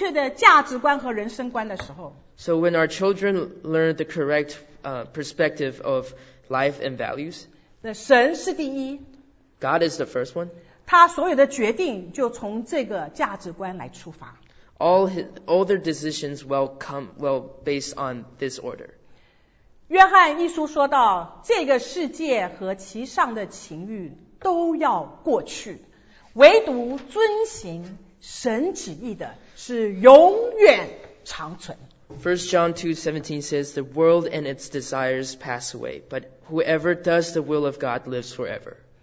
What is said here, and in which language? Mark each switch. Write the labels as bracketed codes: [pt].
[zh] 所以当我们的孩子认识这个有正确的价值观和人生观的时候， [en] So when our children learn the correct perspective of life and values, [zh] 神是第一。 [en] God is the first one. [zh] 他所有的决定就从这个价值观来出发。 [en] All their decisions will based on this order. [zh] 约翰一书说到，这个世界和其上的情欲都要过去，唯独遵行神旨意的是永远长存。 [en] 1 John 2:17 says, "The world and its desires pass away, but whoever does the will of God lives forever."